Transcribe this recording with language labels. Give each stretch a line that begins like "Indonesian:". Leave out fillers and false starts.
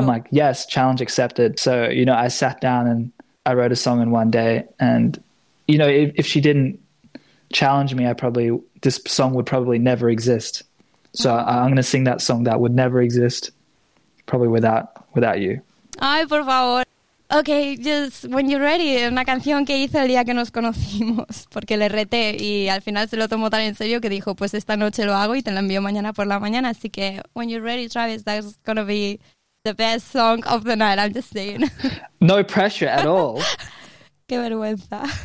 English: I'm like, yes, challenge accepted. So, you know, I sat down and I wrote a song in one day, and you know, if she didn't challenge me, this song would probably never exist. So I'm going to sing that song that would never exist, probably without you.
Spanish: Ay, por favor.
English: Okay, just when you're ready,
Spanish: una canción que hice el día que nos conocimos, porque le reté y al final se lo tomó tan en serio que dijo, pues esta noche lo hago y te la envío mañana por la mañana. Así que
English: when you're ready, Travis, that's going to be the best song of the night, I'm just saying. No pressure at all.
Spanish: Qué vergüenza.